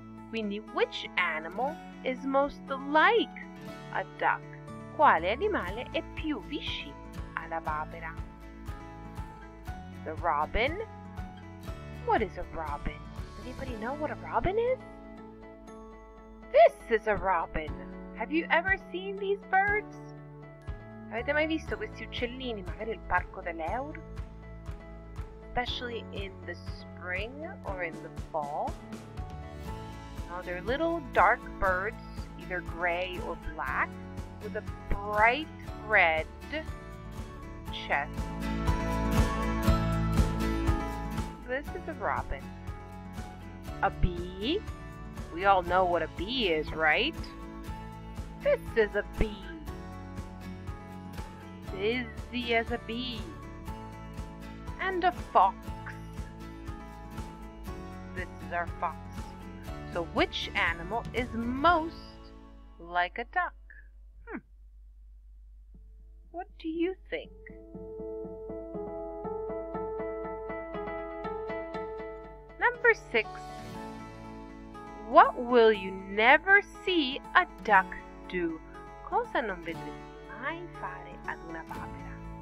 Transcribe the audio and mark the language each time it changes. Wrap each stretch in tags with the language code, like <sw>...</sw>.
<en>Quindi, which animal is most like a duck?</en> <it>Quale animale è più vicino alla papera?</it> <en>The robin. What is a robin? Anybody know what a robin is? This is a robin. Have you ever seen these birds?</en> <it>Avete mai visto questi uccellini, magari nel parco dell'Eur?</it> <en>Especially in the spring or in the fall. No, they're little dark birds, either gray or black, with a bright red chest. This is a robin. A bee? We all know what a bee is, right? This is a bee. Busy as a bee. And a fox. This is our fox. So which animal is most like a duck? What do you think? Number 6. What will you never see a duck do?</en> <it>Cosa non vedresti mai fare ad una papera?</it>